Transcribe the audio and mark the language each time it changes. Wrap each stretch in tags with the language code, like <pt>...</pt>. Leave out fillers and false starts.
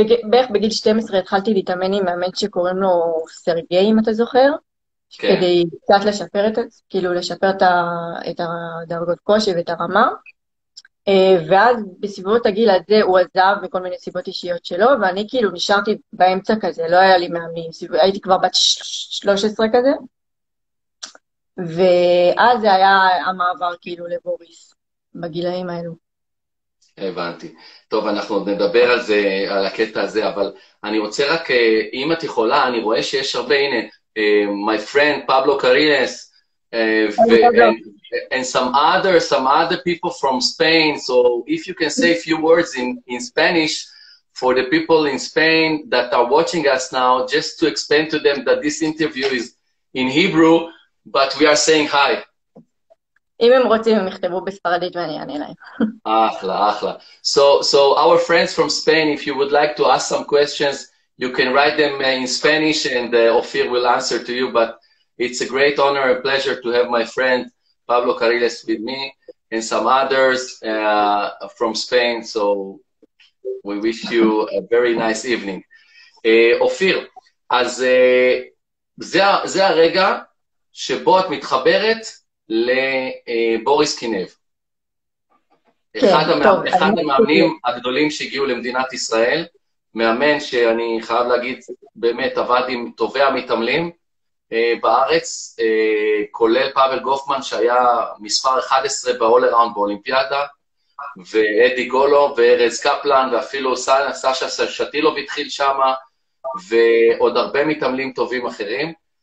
<he>בערך בגיל 12 התחלתי להתאמן עם מאמן שקוראים לו סרגי, אם אתה זוכר, כדי קצת לשפר את זה, כאילו לשפר את הדרגות קושי ואת הרמה, ואז בסביבות הגיל הזה הוא עזב מכל מיני סיבות אישיות שלו, ואני כאילו נשארתי באמצע כזה, לא היה לי מאמנים, הייתי כבר בת 13 כזה, ואז זה היה המעבר כאילו לבוריס, בגילאים האלו. הבנתי. טוב, אנחנו נדבר על זה, על הקטע הזה, אבל אני רוצה רק, אם את יכולה, אני רואה שיש הרבה, הנה,</he> <en>my friend,</en> <he>פבלו קרינס,</he> <en>And some other people from Spain. So if you can say a few words in Spanish for the people in Spain that are watching us now, just to explain to them that this interview is in Hebrew, but we are saying hi.</en> <he>אם הם רוצים, הם יכתבו בספרדית ואני אענה להם. אחלה, אחלה.</he> <en>So our friends from Spain, if you would like to ask some questions, you can write them in Spanish and Ophir will answer to you, but it's a great honor and pleasure to have my friend Pablo Carriles with me and some others from Spain, so we wish you a very nice evening.</en> <he>Ophir, אז זה הרגע שבו את מתחברת לבוריס קינב. אחד המאמנים הגדולים שהגיעו למדינת ישראל, מאמן שאני חייב להגיד, באמת עבד עם טובי המתעמלים בארץ, כולל פאבל גופמן שהיה מספר 11 באול אראונד באולימפיאדה, ואדי גולו וארז קפלן, ואפילו סשה שטילוב התחיל שם, ועוד הרבה מתעמלים טובים אחרים.</he>